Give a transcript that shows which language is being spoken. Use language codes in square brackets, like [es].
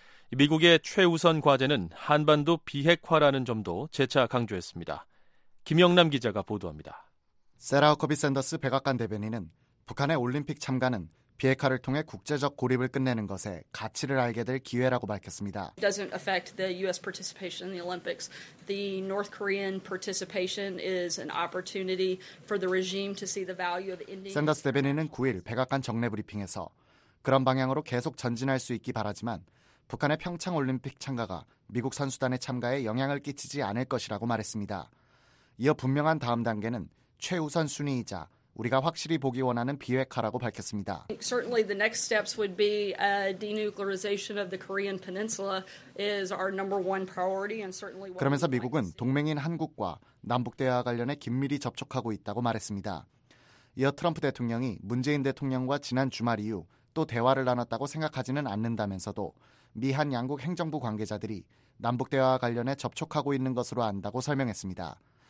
[ko] 미국의 최우선 과제는 한반도 비핵화라는 점도 재차 강조했습니다. 김영남 기자가 보도합니다. 세라 허커비 샌더스 백악관 대변인은 북한의 올림픽 참가는 비핵화를 통해 국제적 고립을 끝내는 것에 가치를 알게 될 기회라고 밝혔습니다. [en] It doesn't affect the U.S. participation in the Olympics. The North Korean participation is an opportunity for the regime to see the value of India. [ko] 샌더스 대변인은 9일 백악관 정례 브리핑에서 그런 방향으로 계속 전진할 수 있기 바라지만 북한의 평창 올림픽 참가가 미국 선수단의 참가에 영향을 끼치지 않을 것이라고 말했습니다. 이어 분명한 다음 단계는 최우선 순위이자 우리가 확실히 보기 원하는 비핵화라고 밝혔습니다. [en] Certainly the next steps would be a denuclearization of the Korean Peninsula is our number one priority and certainly [ko] 그러면서 미국은 동맹인 한국과 남북 대화 관련해 긴밀히 접촉하고 있다고 말했습니다. 이어 트럼프 대통령이 문재인 대통령과 지난 주말 이후 또 대화를 나눴다고 생각하지는 않는다면서도 미한 양국 행정부 관계자들이 남북 대화와 관련해 접촉하고 있는 것으로 안다고 설명했습니다.